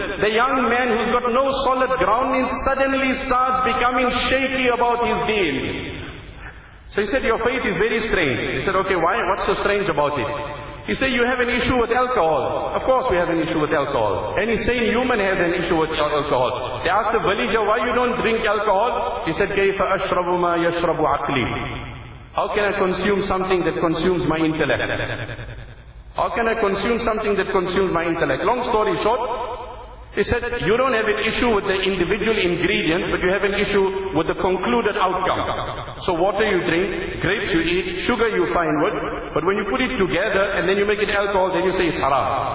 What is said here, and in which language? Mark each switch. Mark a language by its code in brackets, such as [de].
[en] The young man who's got no solid grounding suddenly starts becoming shaky about his deen. So he said, your faith is very strange. He said, okay, why? What's so strange about it? He said, you have an issue with alcohol. Of course we have an issue with alcohol. Any sane human has an issue with alcohol. They asked the villager, why you don't drink alcohol? He said, [ar] كَيْفَ أَشْرَبُ مَا يَشْرَبُ عَقْلِي. [en] How can I consume something that consumes my intellect? How can I consume something that consumes my intellect? Long story short, he said, you don't have an issue with the individual ingredient, but you have an issue with the concluded outcome. So water you drink, grapes you eat, sugar you find with, but when you put it together and then you make it alcohol, then you say it's haram.